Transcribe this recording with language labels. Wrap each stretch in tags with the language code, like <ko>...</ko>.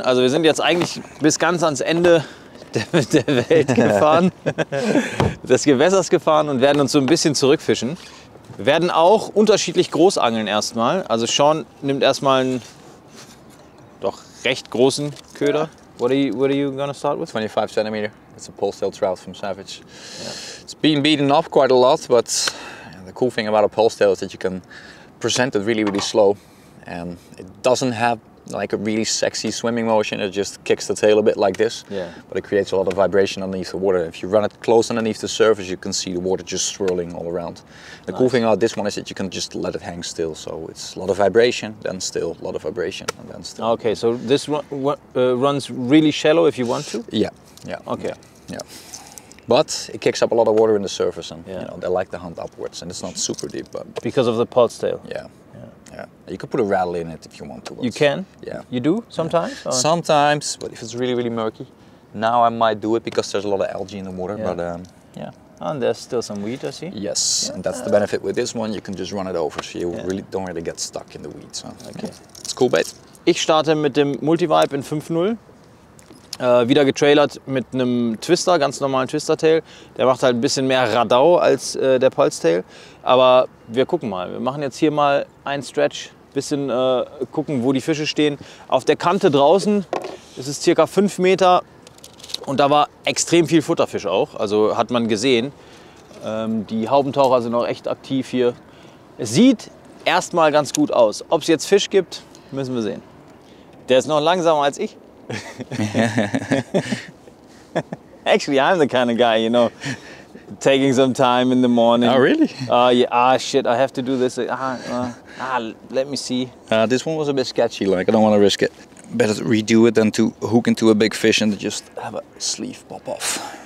<de>Also wir sind jetzt eigentlich bis ganz ans Ende der Welt gefahren, des Gewässers gefahren und werden uns so ein bisschen zurückfischen. Wir werden auch unterschiedlich groß angeln erstmal. Also Sean nimmt erstmal einen doch recht großen Köder.</de> <en>What are you gonna start with? 25 centimeter. It's a pole-tailed trout from Savage. Yeah. It's been beaten up quite a lot, but the cool thing about a pole-tailed is that you can present it really, really slow. And it doesn't have like a really sexy swimming motion. It just kicks the tail a bit like this. Yeah. But it creates a lot of vibration underneath the water. If you run it close underneath the surface, you can see the water just swirling all around. The nice. Cool thing about this one is that you can just let it hang still. So it's a lot of vibration, then still, a lot of vibration, and then still. Okay, so this runs really shallow if you want to? Yeah. Yeah. Okay. Yeah. But it kicks up a lot of water in the surface and yeah. You know, they like to hunt upwards and it's not super deep. But because of the pulse tail? Yeah. Yeah. Yeah. You could put a rattle in it if you want to. You can? Yeah. You do sometimes? Yeah. Sometimes, but if it's really, really murky. Now I might do it because there's a lot of algae in the water. Yeah. But And there's still some weed, I see. Yes. Yeah. And that's the benefit with this one. You can just run it over so you really don't really get stuck in the weeds. So. Okay. Yeah. It's cool bait.</en> <de>Ich starte mit dem Multivibe in 5.0. Wieder getrailert mit einem Twister, ganz normalen Twister-Tail. Der macht halt ein bisschen mehr Radau als der Pulse-Tail. Aber wir gucken mal. Wir machen jetzt hier mal einen Stretch, bisschen gucken, wo die Fische stehen. Auf der Kante draußen ist es circa 5 Meter und da war extrem viel Futterfisch auch. Also hat man gesehen. Die Haubentaucher sind auch echt aktiv hier. Es sieht erstmal ganz gut aus. Ob es jetzt Fisch gibt, müssen wir sehen. Der ist noch langsamer als ich.</de> <en>Actually, I'm the kind of guy, you know, taking some time in the morning. Oh, really? Oh, yeah. Ah, shit, I have to do this. Let me see. This one was a bit sketchy, like, I don't want to risk it. Better to redo it than to hook into a big fish and just have a sleeve pop off.</en>